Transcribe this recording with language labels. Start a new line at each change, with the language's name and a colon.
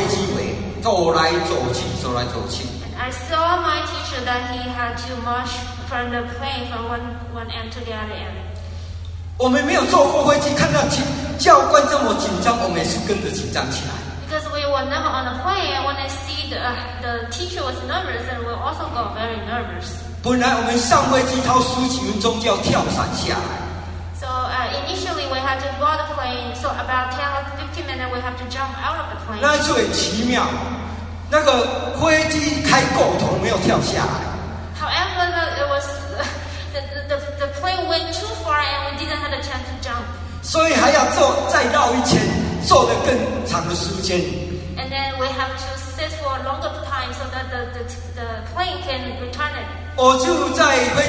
Chinese: 那一次我看我们的教官从飞机头走到飞机尾，走来走去。
English: And I saw my teacher that he had to march from the plane from one end to the other end.
Chinese: 我们没有坐过飞机，看到教官这么紧张，我们也是跟着紧张起来。
English: Because we were never on a plane, when I see the teacher was nervous, and we also got very nervous.
Chinese: 本来我们上飞机，超十几分钟就要跳伞下来。
English: So initially we had to board the plane, so about 10 or 15 minutes we have to jump out of the plane.
Chinese: 那就很奇妙，那个飞机开过头没有跳下来。
English: However, the plane went too far, and we didn't have a chance to jump.
Chinese: 所以还要再绕一圈。坐得更长的时间。
English: And then we have to sit for a longer time so that the plane can return it.